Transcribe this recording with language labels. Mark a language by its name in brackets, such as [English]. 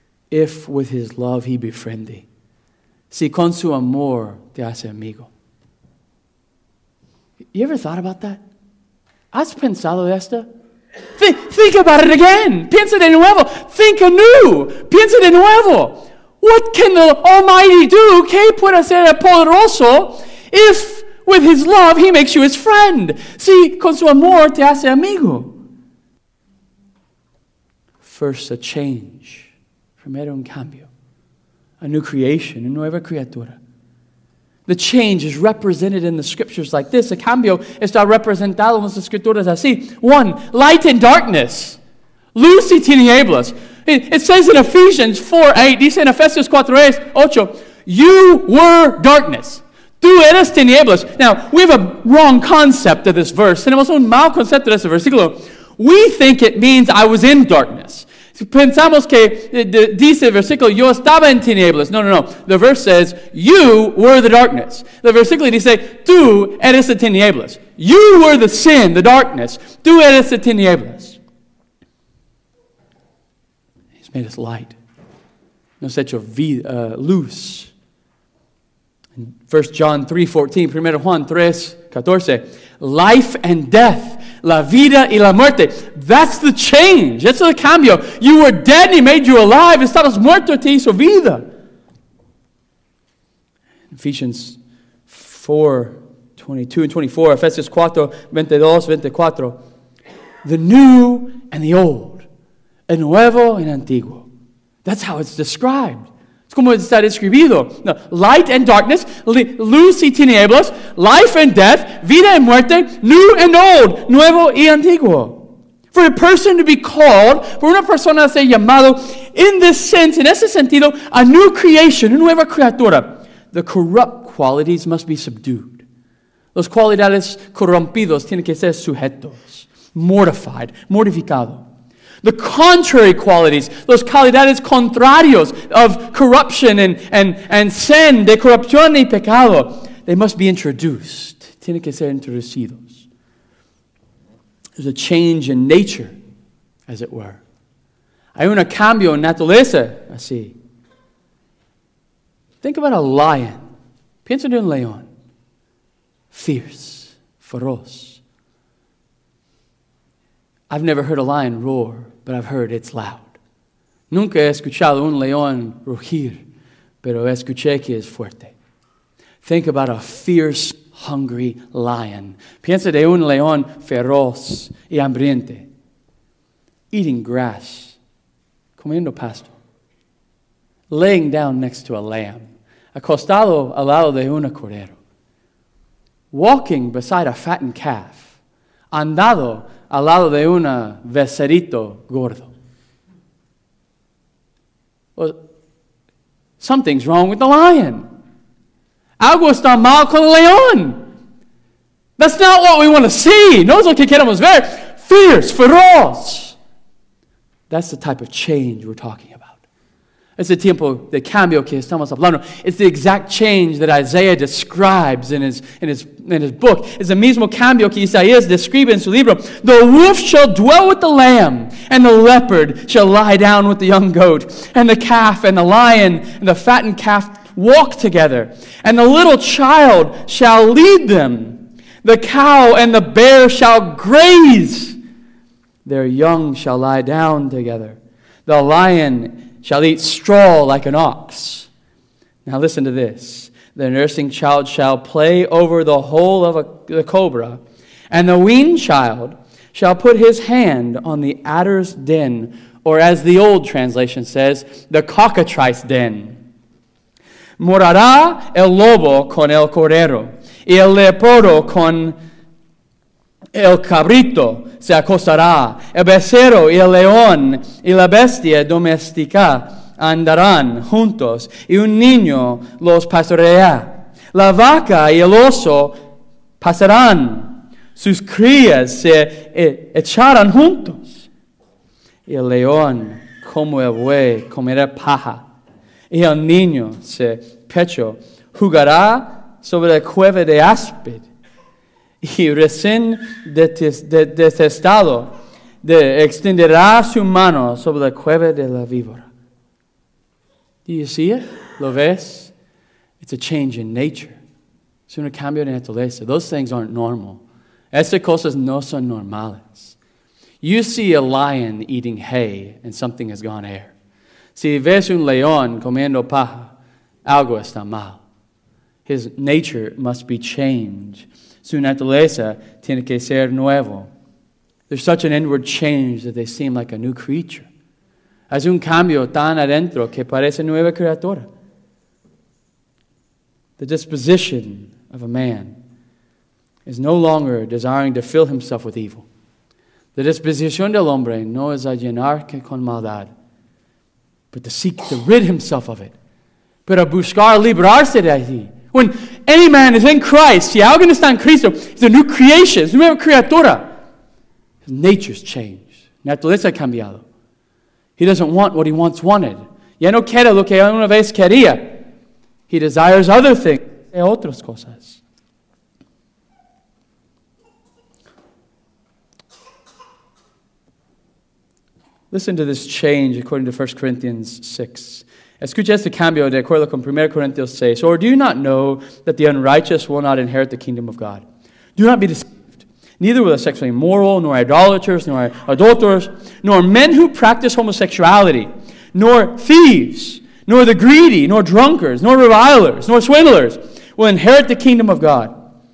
[English] If with his love he befriend thee. [Spanish] Si con su amor te hace amigo. [English] You ever thought about that? [Spanish] ¿Has pensado esto? [English] Think about it again. [Spanish] Piensa de nuevo. [English] Think anew. [Spanish] Piensa de nuevo. [English] What can the Almighty do? [Spanish] ¿Qué puede hacer el Poderoso? [English] If with his love he makes you his friend. [Spanish] Si con su amor te hace amigo. [English] First a change. [Spanish] Primero un cambio. [English] A new creation. A [Spanish] nueva criatura. [English] The change is represented in the scriptures like this. [Spanish] El cambio está representado en las escrituras así. [English] One, light and darkness. [Spanish] Luz y tinieblas. [English] It says in Ephesians 4:8, [Spanish] dice en Efesios 4:8, [English] you were darkness. [Spanish] Tú eres tinieblas. [English] Now, we have a wrong concept of this verse. [Spanish] Tenemos un mal concepto de este versículo. [English] We think it means I was in darkness. [Spanish] Pensamos que dice el versículo, yo estaba en tinieblas. [English] No. The verse says, you were the darkness. [Spanish] The versículo dice, tú eres el tinieblas. [English] You were the sin, the darkness. [Spanish] Tú eres el tinieblas. [English] He's made us light. [Spanish] Nos ha hecho luz. [English] In 1 John 3:14, 1 Juan 3:14, life and death. [Spanish] La vida y la muerte. [English] That's the change. That's the cambio. You were dead and he made you alive. [Spanish] Estabas muerto, te hizo vida. [English] Ephesians 4:22-24. Ephesians 4:22-24. The new and the old. [Spanish] El nuevo y el antiguo. [English] That's how it's described. [Spanish] Es como está describido. [English] No, light and darkness, [Spanish] luz y tinieblas, [English] life and death, [Spanish] vida y muerte, [English] new and old, [Spanish] nuevo y antiguo. [English] For a person to be called, for [Spanish] una persona a ser llamado, [English] in this sense, [Spanish] en ese sentido, [English] a new creation, [Spanish] una nueva criatura, [English] the corrupt qualities must be subdued. [Spanish] Los cualidades corrompidos tienen que ser sujetos, mortified, mortificado. [English] The contrary qualities, those [Spanish] cualidades contrarios [English] of corruption and sin, [Spanish] de corrupción y pecado, [English] they must be introduced. [Spanish] Tienen que ser introducidos. [English] There's a change in nature, as it were. [Spanish] Hay un cambio en naturaleza, así. [English] Think about a lion. [Spanish] Piensa en un león. [English] Fierce, feroz. I've never heard a lion roar, but I've heard it's loud. [Spanish] Nunca he escuchado un león rugir, pero escuché que es fuerte. [English] Think about a fierce, hungry lion. [Spanish] Piensa de un león feroz y hambriente. [English] Eating grass, [Spanish] comiendo pasto. [English] Laying down next to a lamb, [Spanish] acostado al lado de un cordero. [English] Walking beside a fattened calf, [Spanish] andado al lado de un becerrito gordo. [English] Well, something's wrong with the lion. [Spanish] Algo está mal con el león. [English] That's not what we want to see. [Spanish] No es lo que queremos ver. [English] Fierce, feroz. That's the type of change we're talking about. [Spanish] Es el tiempo de cambio que estamos hablando. [English] It's the exact change that Isaiah describes in his book. [Spanish] Es el mismo cambio que Isaías describe en su libro. [English] The wolf shall dwell with the lamb, and the leopard shall lie down with the young goat, and the calf and the lion and the fattened calf walk together, and the little child shall lead them. The cow and the bear shall graze. Their young shall lie down together. The lion shall eat straw like an ox. Now listen to this. The nursing child shall play over the hole of the cobra, and the weaned child shall put his hand on the adder's den, or as the old translation says, the cockatrice den. [Spanish] Morará el lobo con el cordero, y el leopardo con el cabrito se acostará, el becerro y el león y la bestia doméstica andarán juntos, y un niño los pastoreará. La vaca y el oso pasarán, sus crías se echarán juntos. Y el león, como el buey, comerá paja, y el niño se pecho jugará sobre la cueva de áspid. y recién detestado, de extenderá su mano sobre la cueva de la víbora. [English] Do you see it? [Spanish] ¿Lo ves? [English] It's a change in nature. [Spanish] Es un cambio de naturaleza. [English] Those things aren't normal. [Spanish] Esas cosas no son normales. [English] You see a lion eating hay and something has gone air. [Spanish] Si ves un león comiendo paja, algo está mal. [English] His nature must be changed. [Spanish] Su naturaleza tiene que ser nuevo. [English] There's such an inward change that they seem like a new creature. [Spanish] Hay un cambio tan adentro que parece nueva criatura. [English] The disposition of a man is no longer desiring to fill himself with evil. [Spanish] La disposición del hombre no es a llenar con maldad, [English] but to seek to rid himself of it. [Spanish] Pero buscar librarse de allí. [English] When any man is in Christ, [Spanish] si alguien está en Cristo, [English] it's a new creation, it's a [Spanish] nueva criatura. [English] His nature's changed. [Spanish] Naturaleza ha cambiado. [English] He doesn't want what he once wanted. [Spanish] Ya no quiere lo que una vez quería. [English] He desires other things. [Spanish] De otras cosas. [English] Listen to this change according to 1 Corinthians 6. [Spanish] Escucha este cambio de acuerdo con 1 Corinthians 6. [English] Or do you not know that the unrighteous will not inherit the kingdom of God? Do not be deceived. Neither will the sexually immoral, nor idolaters, nor adulterers, nor men who practice homosexuality, nor thieves, nor the greedy, nor drunkards, nor revilers, nor swindlers will inherit the kingdom of God.